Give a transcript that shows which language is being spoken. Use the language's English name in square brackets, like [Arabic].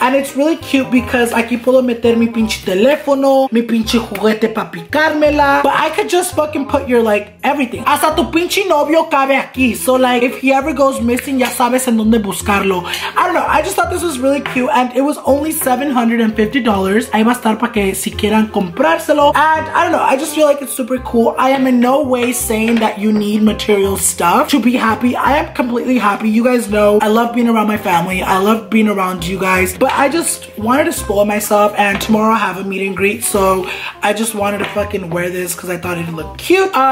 [English] And it's really cute because [Spanish] aquí puedo meter mi pinche teléfono, mi pinche juguete pa picármela. [English] But I could just fucking put your like everything. [Spanish] Hasta tu pinche novio cabe aquí. [English] So like, if he ever goes missing, [Spanish] ya sabes en donde buscarlo. [English] I don't know. I just thought this was really cute, and it was only $750. [Spanish] Ahí va a estar para que si quieran comprárselo. [English] And I don't know. I just feel like it's super cool. I am in no way saying that you need material stuff to be happy. I am completely happy. You guys know I love being around my family. I love being around you guys. But I just wanted to spoil myself, and tomorrow I have a meet and greet, so I just wanted to fucking wear this because I thought it'd look cute.